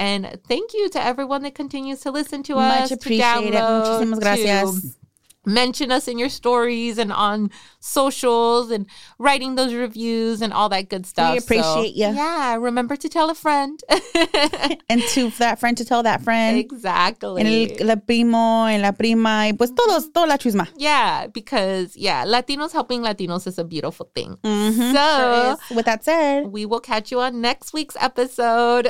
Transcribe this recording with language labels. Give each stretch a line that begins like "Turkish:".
English: And thank you to everyone that continues to listen to us. Much appreciated.
Spanish: Muchísimas gracias.
English: Mention us in your stories and on socials and writing those reviews and all that good stuff. We appreciate you. Yeah. Remember to tell a friend. And to that friend to tell that friend. Exactly.
Spanish: En el primo, en la prima, y pues todos, toda la chusma.
English: Yeah. Because, yeah, Latinos helping Latinos is a beautiful thing. So, sure, with that said, we will catch you on next week's episode.